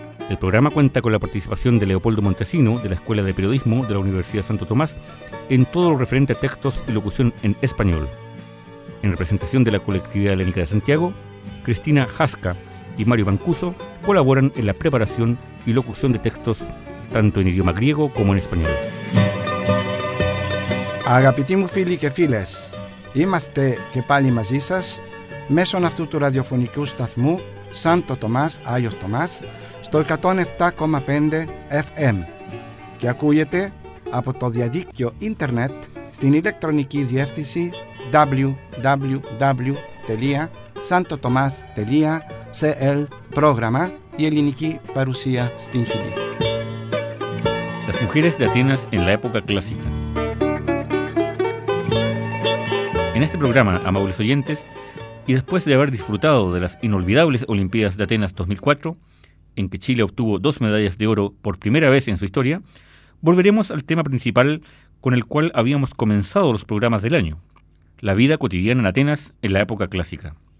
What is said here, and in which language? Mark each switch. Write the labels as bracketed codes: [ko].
[es] El programa cuenta con la participación de Leopoldo Montesino, de la Escuela de Periodismo de la Universidad Santo Tomás, en todo lo referente a textos y locución en español. En representación de la Colectividad Helénica de Santiago, Cristina Jasca y Mario Mancuso colaboran en la preparación y locución de textos, tanto en idioma griego como en español. [el] Αγαπητοί φίλοι και φίλες, είμαστε και πάλι μαζί σας μέσω αυτού του ραδιοφωνικού σταθμού Σάντο Τομάς, Άγιος Τομάς, στο 107,5 FM και ακούγεται από το διαδίκτυο ίντερνετ στην ηλεκτρονική διεύθυνση www.santotomas.cl πρόγραμμα η ελληνική παρουσία στην Χιλή. [es] Las mujeres de Atenas en la época clásica. En este programa, amables oyentes, y después de haber disfrutado de las inolvidables Olimpiadas de Atenas 2004, en que Chile obtuvo 2 medallas de oro por primera vez en su historia, volveremos al tema principal con el cual habíamos comenzado los programas del año, la vida cotidiana en Atenas en la época clásica.